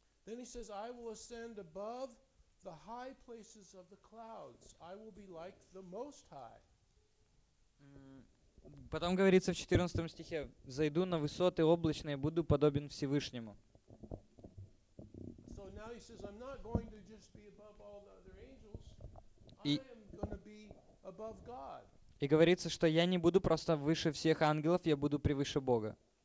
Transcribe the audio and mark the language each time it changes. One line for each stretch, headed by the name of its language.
English: Then he says, I will ascend above the high places of the clouds. I will be like the Most High.
Russian: Потом говорится в 14 стихе, зайду на высоты облачные, буду подобен Всевышнему.
English: So now he says, I'm not going to just be above all the other angels. I am going to be above God.
Russian: И говорится, что я не буду просто выше всех ангелов, я буду превыше Бога.